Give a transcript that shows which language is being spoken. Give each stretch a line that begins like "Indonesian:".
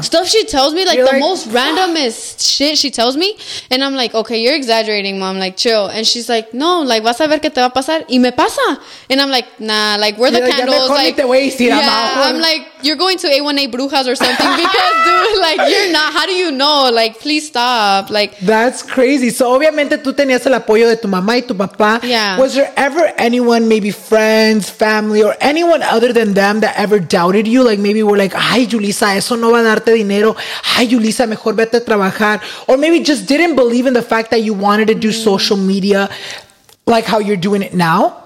English: stuff she tells me, like, you're the, like, most randomest shit she tells me, and I'm like, okay, you're exaggerating, mom, like, chill. And she's like, no, like,
Spanish: vas a ver que te va a pasar, y me pasa.
English: And I'm like, nah, like, where the, like, candles, like,
Spanish: te voy a decir,
English: yeah, I'm like, you're going to A1A Brujas or something, because, dude, like, you're not, how do you know, like, please stop, like. That's crazy.
Spanish: So, obviamente, tú tenías el apoyo de tu mamá y tu papá.
English: Yeah. Was there ever anyone, maybe friends, family, or anyone other than them that ever doubted you, like, maybe were like,
Spanish: ay, Julissa, eso no va a darte dinero. Ay, Julissa, mejor vete a trabajar.
English: Or maybe just didn't believe in the fact that you wanted to do social media like how you're doing it now.